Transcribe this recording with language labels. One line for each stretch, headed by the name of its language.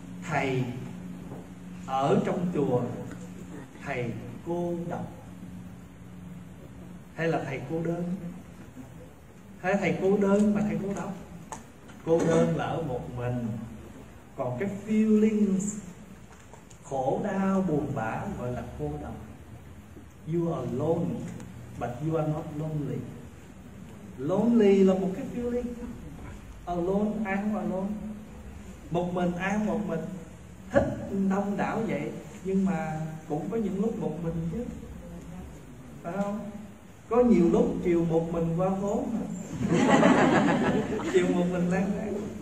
Vietnamese: Thầy ở trong chùa, thầy cô độc hay là thầy cô đơn? Hay thầy cô đơn mà thầy cô độc? Cô đơn là ở một mình, còn cái feelings khổ đau buồn bã gọi là cô độc.
English: You are alone, but you are not lonely.
Vietnamese: Lonely là một cái feeling. Alone, ai cũng alone. Một mình, ai một mình. Thích đông đảo vậy, nhưng mà cũng có những lúc một mình chứ, phải không? Có nhiều lúc chiều một mình qua phố chiều một mình lang thang.